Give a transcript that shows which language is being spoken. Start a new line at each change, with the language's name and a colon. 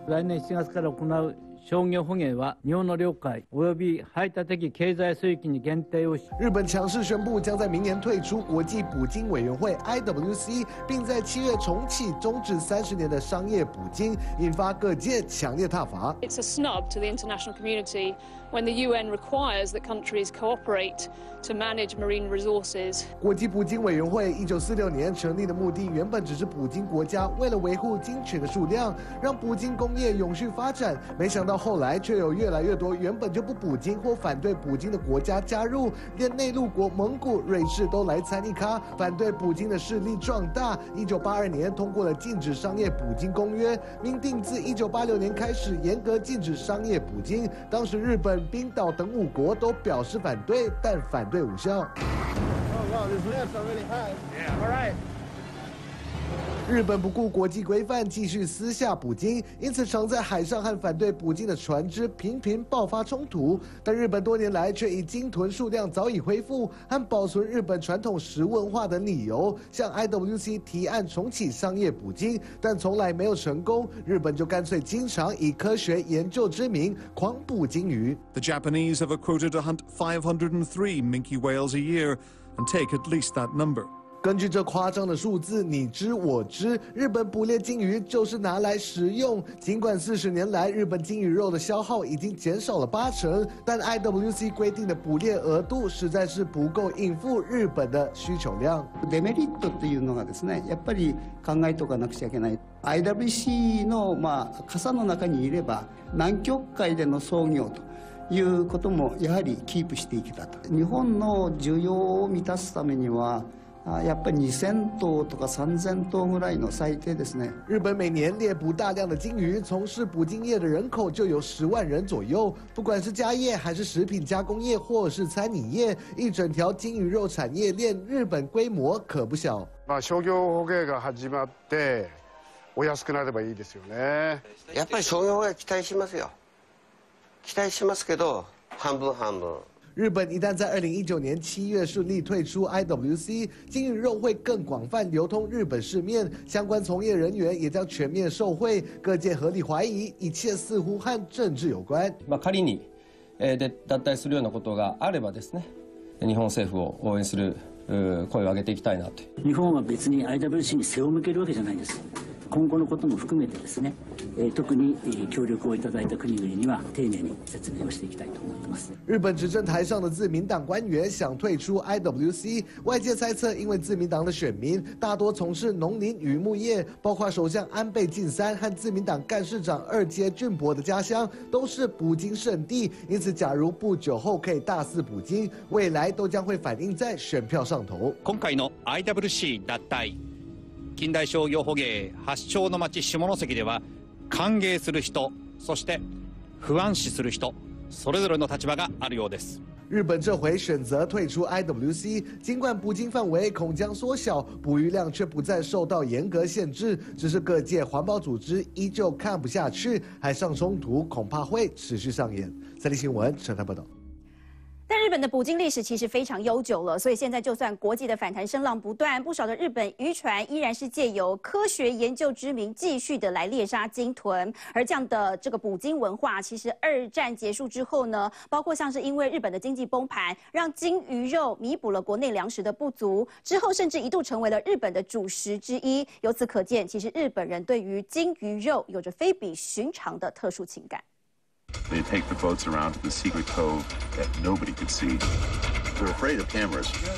Japanese: 来年7月から行う商業捕鯨は日本の領海及び排他的経済水域に限定を。
Chinese: 日本强势宣布将在明年退出国际捕鲸委员会 IWC， 并在七月重启终止30年的商业捕鲸，引发各界强烈挞伐。
English: It's a snub to the international community when the UN requires that countries cooperate to manage marine resources。
Chinese: 国际捕鲸委员会1946年成立的目的，原本只是捕鲸国家为了维护鲸群的数量，让捕鲸工业永续发展，没想到。到后来却有越来越多原本就不捕鲸或反对捕鲸的国家加入，连内陆国蒙古、瑞士都来参一咖，反对捕鲸的势力壮大。 1982年通过了禁止商业捕鲸公约，明定自1986年开始严格禁止商业捕鲸。当时日本、冰岛等五国都表示反对，但反对无效。日本不顾国际规范继续私下捕鲸，因此常在海上和反对捕鲸的船只频频爆发冲突。但日本多年来却以鲸豚数量早已恢复和保存日本传统食文化等理由，向 IWC 提案重启商业捕鲸，但从来没有成功。日本就干脆经常以科学研究之名狂捕鲸鱼。 The Japanese have a quota to hunt 503 minke whales a year and take at least that number. 根据这夸张的数字，你知我知，日本捕猎鲸鱼就是拿来食用。尽管40年来日本鲸鱼肉的消耗已经减少了80%，但 IWC 规定的捕猎额度实在是不够应付日本的需求量。
Japanese: デメリットというのがですね、やっぱり考えとかなくちゃいけない。 IWC のまあ傘の中にいれば、南極海での操業と。いうこともやはりキープしていけたと。日本の需要を満たすためには、やっぱり2000頭とか3000頭ぐらいの最低ですね。
Chinese: 日本每年猎捕大量的鲸鱼，从事捕鲸业的人口就有10万人左右。不管是家业还是食品加工业，或是餐饮业，一整条鲸鱼肉产业链，日本规模可不小。
Japanese: まあ商業捕鲸が始まって、お安くなればいいですよね。やっぱり商業捕鲸期待しますよ。期待しますけど、半分半分。
Chinese: 日本一旦在2019年7月顺利退出 IWC， 鲸鱼肉会更广泛流通日本市面，相关从业人员也将全面受惠。各界合理怀疑，一切似乎和政治有关。
Japanese: まあ仮に、脱退するようなことがあればですね、日本政府を応援する声を上げていきたいなと。日本は別に IWC に背を向けるわけじゃないです。今後のことも含めてですね、特に協力をいただいた国々には丁寧に説明をしていきたいと思っています。
Chinese: 日本执政台上的自民党官员想退出 IWC， 外界猜测，因为自民党的选民大多从事农林渔牧业，包括首相安倍晋三和自民党干事长二阶俊博的家乡都是捕鲸圣地，因此假如不久后可以大肆捕鲸，未来都将会反映在选票上头。
Japanese: 今回の IWC 脱退。近代商業捕鯨発祥の町下関では歓迎する人そして不安視する人それぞれの立場があるようです。
Chinese: 日本这回选择退出 IWC， 尽管捕鲸范围恐将缩小，捕鱼量却不再受到严格限制，只是各界环保组织依旧看不下去，海上冲突恐怕会持续上演。三立新闻陈太报道。但日本的捕鲸历史其实非常悠久了，所以现在就算国际的反弹声浪不断，不少的日本渔船依然是借由科学研究之名继续的来猎杀鲸豚。而这样的这个捕鲸文化，其实二战结束之后呢，包括像是因为日本的经济崩盘，让鲸鱼肉弥补了国内粮食的不足，之后甚至一度成为了日本的主食之一。由此可见，其实日本人对于鲸鱼肉有着非比寻常的特殊情感。
English: They take the boats around to the secret cove that nobody could see. They're afraid of cameras.